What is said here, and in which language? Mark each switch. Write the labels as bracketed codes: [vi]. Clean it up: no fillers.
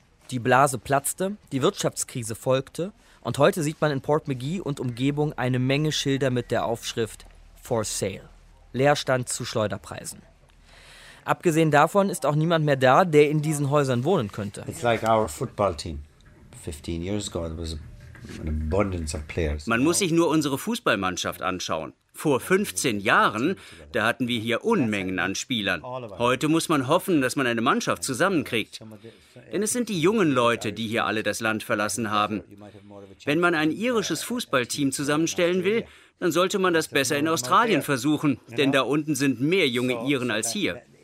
[de] Die Blase platzte, die Wirtschaftskrise folgte und heute sieht man in Port McGee und Umgebung eine Menge Schilder mit der Aufschrift For Sale. Leerstand zu Schleuderpreisen. Abgesehen davon ist auch niemand mehr da, der in diesen Häusern wohnen könnte. [en] It's like our football team. 15 years ago, there was an abundance of players. [de] Man muss sich nur unsere Fußballmannschaft anschauen. Vor 15 Jahren, da hatten wir hier Unmengen an Spielern. Heute muss man hoffen, dass man eine Mannschaft zusammenkriegt. Denn es sind die jungen Leute, die hier alle das Land verlassen haben. Wenn man ein irisches Fußballteam zusammenstellen will, dann sollte man das besser in Australien versuchen, denn da unten sind mehr junge Iren als hier.